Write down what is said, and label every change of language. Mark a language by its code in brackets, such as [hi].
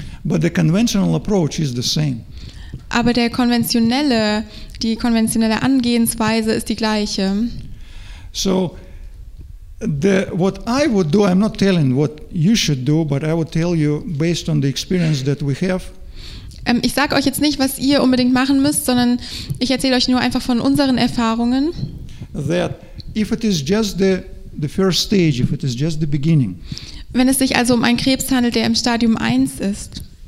[en] But the conventional approach is the same. [de] Aber die konventionelle Angehensweise ist die gleiche. [en] So, what I would do, I'm not telling what you should do, but I would tell you based on the experience that we have. [de] Ich sage euch jetzt nicht, was ihr unbedingt machen müsst, sondern ich erzähle euch nur einfach von unseren Erfahrungen. [en] That if it is just the first stage, if it is just the beginning. [de] Wenn es sich also um einen Krebs handelt, der im Stadium 1 ist.